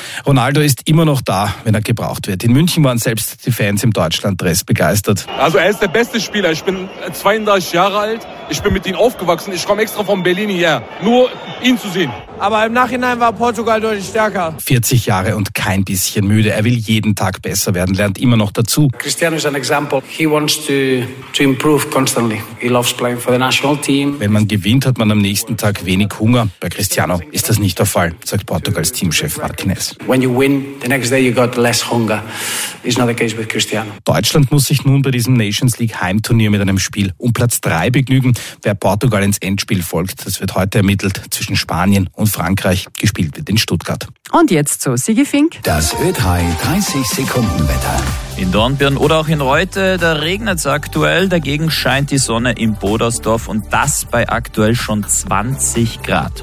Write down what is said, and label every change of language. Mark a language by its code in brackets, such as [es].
[de] Ronaldo ist immer noch da, wenn er gebraucht wird. In München waren selbst die Fans im Deutschland-Dress begeistert. Also er ist der beste Spieler. Ich bin 32 Jahre alt. Ich bin mit ihm aufgewachsen. Ich komme extra von Berlin hierher, nur ihn zu sehen. Aber im Nachhinein war Portugal deutlich stärker. 40 Jahre und kein bisschen müde. Er will jeden Tag besser werden, lernt immer noch dazu. [en] Cristiano is an example. He wants to improve constantly. He loves playing for the national team. [de] Wenn man gewinnt, hat man am nächsten Tag wenig Hunger. Bei Cristiano ist das nicht der Fall, sagt Portugals Teamchef Martinez. [en] When you win, the next day you got less hunger. It's not the case with Cristiano. [de] Deutschland muss sich nun bei diesem Nations League Heimturnier mit einem Spiel um Platz 3 begnügen. Wer Portugal ins Endspiel folgt, das wird heute ermittelt zwischen Spanien und Frankreich, gespielt wird in Stuttgart. Und jetzt zu Sigi Fink. Das Ö3 30-Sekunden-Wetter. In Dornbirn oder auch in Reute, da regnet es aktuell. Dagegen scheint die Sonne im Bodersdorf und das bei aktuell schon 20 Grad.